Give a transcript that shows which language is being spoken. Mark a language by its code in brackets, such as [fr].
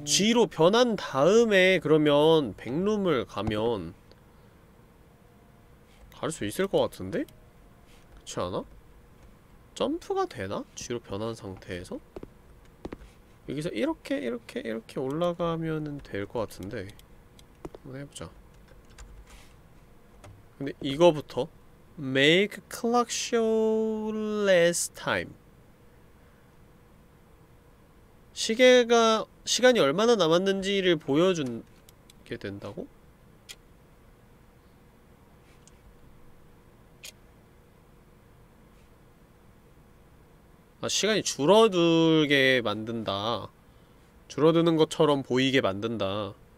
[ko] G로 변한 다음에 그러면 백룸을 가면 갈 수 있을 것 같은데? 그렇지 않아? 점프가 되나? G로 변한 상태에서? 여기서 이렇게 올라가면은 될 것 같은데 한번 해보자. 근데 이거부터 [en] Make clock show less time. [ko] 시계가 시간이 얼마나 남았는지를 보여준게 된다고? 아 시간이 줄어들게 만든다. 줄어드는 것처럼 보이게 만든다.